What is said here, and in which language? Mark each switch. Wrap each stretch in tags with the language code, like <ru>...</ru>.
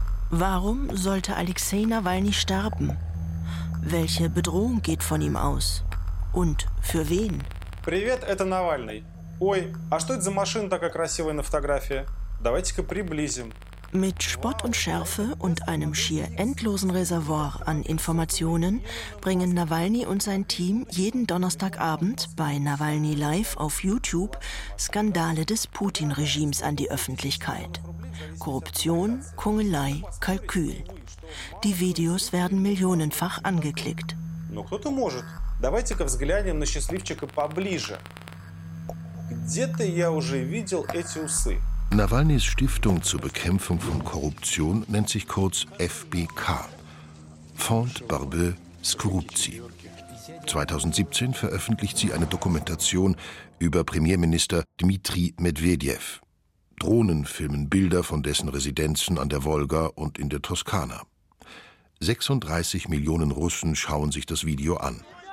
<de>Warum sollte Alexei Nawalny sterben? Welche Bedrohung geht von ihm aus? Und für wen?</de> <ru>Привет, это Навальный. Ой, а что это за машина такая красивая на фотографии? Давайте-ка приблизим.</ru> <de>Mit Spott und Schärfe und einem schier endlosen Reservoir an Informationen bringen Nawalny und sein Team jeden Donnerstagabend bei Nawalny Live auf YouTube Skandale des Putin-Regimes an die Öffentlichkeit. Korruption, Kungelei, Kalkül. Die Videos werden millionenfach angeklickt.</de> <ru>Но кто-то может. Давайте-ка взглянем на счастливчика поближе. Где-то я уже видел эти усы.</ru> <de>Nawalnys Stiftung zur Bekämpfung von Korruption nennt sich kurz FBK, Fond Barbe Skorupzi. 2017 veröffentlicht sie eine Dokumentation über Premierminister Dmitri Medvedev. Drohnen filmen Bilder von dessen Residenzen an der Wolga und in der Toskana. 36 Millionen Russen schauen sich das Video an.</de>